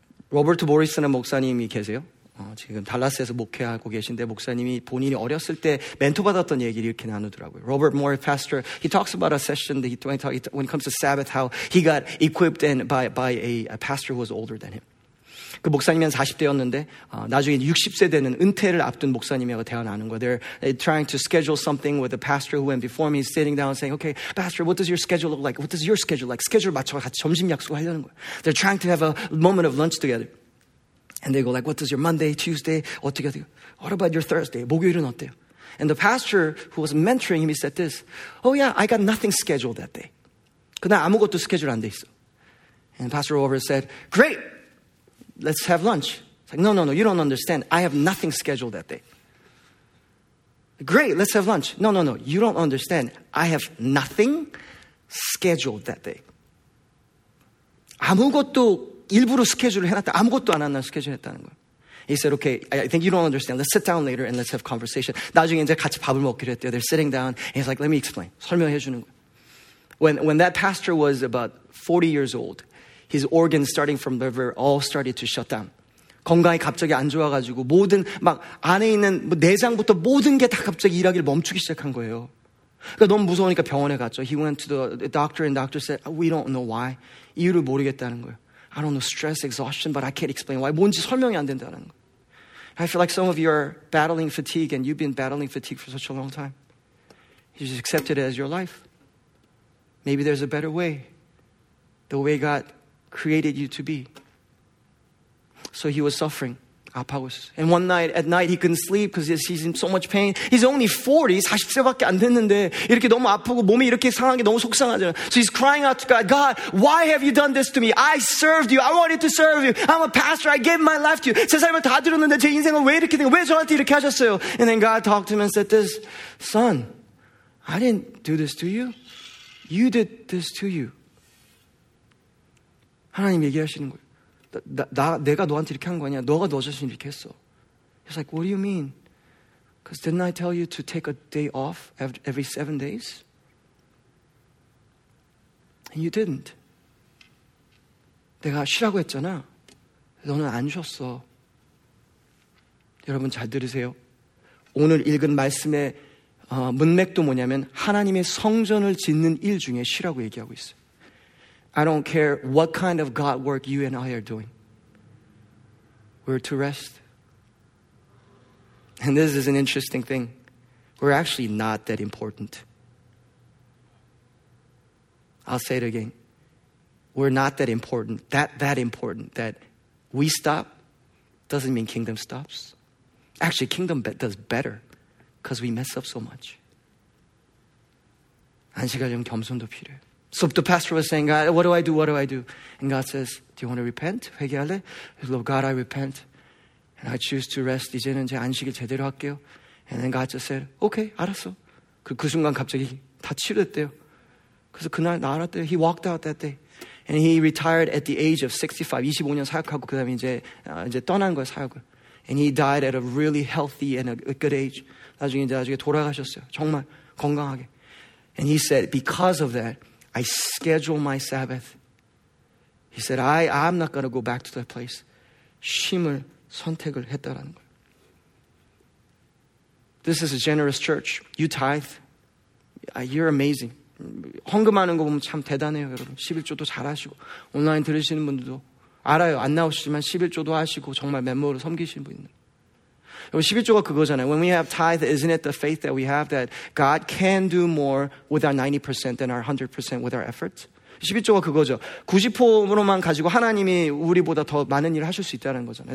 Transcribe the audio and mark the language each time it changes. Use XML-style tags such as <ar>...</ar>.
<ko>로버트 모리스라는 목사님이 계세요. 지금 달라스에서 목회하고 계신데 목사님이 본인이 어렸을 때 멘토 받았던 얘기를 이렇게 나누더라고요.</ko> <en>Robert Mori, pastor, he talks about a session that when it comes to Sabbath, how he got equipped and by a pastor who was older than him.</en> <ko>그 목사님이 한 40대였는데 나중에 60세 되는 은퇴를 앞둔 목사님이하고 대화 나눈 거예요.</ko> <en>They're trying to schedule something with the pastor who went before me, sitting down saying, okay, pastor, what does your schedule look like? What does your schedule like?</en> <ko>Schedule 맞춰서 같이 점심 약속하려는 거예요.</ko> <en>They're trying to have a moment of lunch together. And they go like, what does your Monday, Tuesday,</en> <ko>어떻게 돼요?</ko> <en>What about your Thursday?</en> <ko>목요일은 어때요?</ko> <en>And the pastor who was mentoring him, he said this, oh yeah, I got nothing scheduled that day.</en> <ko>그날 아무것도 스케줄 안 돼 있어.</ko> <en>And Pastor Robert said, great! Let's have lunch. It's like, no, no, no, you don't understand. I have nothing scheduled that day. Great, let's have lunch. No, no, no, you don't understand. I have nothing scheduled that day.</en> <ko>아무것도 일부러 스케줄을 해놨다. 아무것도 안 한다 스케줄 했다는 거야.</ko> <en>He said, okay, I think you don't understand. Let's sit down later and let's have conversation.</en> <ko>나중에 이제 같이 밥을 먹기로 했대요.</ko> <en>They're sitting down. And he's like, let me explain.</en> <ko>설명해 주는 거야.</ko> <en>When that pastor was about 40 years old, His organs starting from liver all started to shut down.</en> <ko>건강이 갑자기 안 좋아가지고 모든 막 안에 있는 뭐 내장부터 모든 게 다 갑자기 일하기를 멈추기 시작한 거예요. 그러니까 너무 무서우니까 병원에 갔죠.</ko> <en>He went to the doctor and the doctor said, we don't know why.</en> <ko>이유를 모르겠다는 거예요.</ko> <en>I don't know, stress, exhaustion, but I can't explain why.</en> <ko>뭔지 설명이 안 된다는 거.</ko> <en>I feel like some of you are battling fatigue and you've been battling fatigue for such a long time. You just accept it as your life. Maybe there's a better way. The way God created you to be. So he was suffering. And one night, at night, he couldn't sleep because he's in so much pain. He's only 40,</en> <ko>40세밖에 안 됐는데 이렇게 너무 아프고 몸이 이렇게 상한 게 너무 속상하잖아.</ko> <en>So he's crying out to God, God, why have you done this to me? I served you. I wanted to serve you. I'm a pastor. I gave my life to you.</en> <ko>세상을 다 들었는데 제 인생을 왜 이렇게 된 거야? 왜 저한테 이렇게 하셨어요?</ko> <en>And then God talked to him and said this, son, I didn't do this to you. You did this to you.</en> <ko>하나님 얘기하시는 거예요. 내가 너한테 이렇게 한 거 아니야. 너가 너 자신 이렇게 했어.</ko> <en>He's like, what do you mean? Because didn't I tell you to take a day off every 7 days? And you didn't.</en> <ko>내가 쉬라고 했잖아. 너는 안 쉬었어. 여러분 잘 들으세요. 오늘 읽은 말씀의 문맥도 뭐냐면 하나님의 성전을 짓는 일 중에 쉬라고 얘기하고 있어.</ko> <en>I don't care what kind of God work you and I are doing. We're to rest. And this is an interesting thing. We're actually not that important. I'll say it again. We're not that important. That important that we stop doesn't mean kingdom stops. Actually, kingdom does better because we mess up so much.</en> <ko>안식할 좀 겸손도 필요해.</ko> <en>So the pastor was saying, God, what do I do? What do I do? And God says, do you want to repent?</en> <ko>회개할래?</ko> <en>Lord God, I repent. And I choose to rest.</en> <ko>이제는 제 안식일 제대로 할게요.</ko> <en>And then God just said, okay,</en> <ko>알았어. 그 순간 갑자기 다 치료됐대요. 그래서 그날 나았대요.</ko> <en>He walked out that day. And he retired at the age of 65.</en> <ko>25년 사역하고 그 다음에 이제 떠난 거예요, 사역을.</ko> <en>And he died at a really healthy and a good age.</en> <ko>나중에 돌아가셨어요. 정말 건강하게.</ko> <en>And he said, because of that, I schedule my Sabbath. He said, I'm not going to go back to that place.</en> <ko>쉼을 선택을 했다라는 거예요.</ko> <en>This is a generous church. You tithe. You're amazing.</en> <ko>헌금하는 거 보면 참 대단해요, 여러분. 11조도 잘하시고 온라인 들으시는 분들도 알아요. 안 나오시지만 11조도 하시고 정말 면모로 섬기시는 분 있는 여러분, 11조가 그거잖아요.</ko> <en>When we have tithe, isn't it the faith that we have that God can do more with our 90% than our 100% with our effort?</en> <ko>11조가 그거죠. 90%로만 가지고 하나님이 우리보다 더 많은 일을 하실 수 있다는 거잖아요.</ko>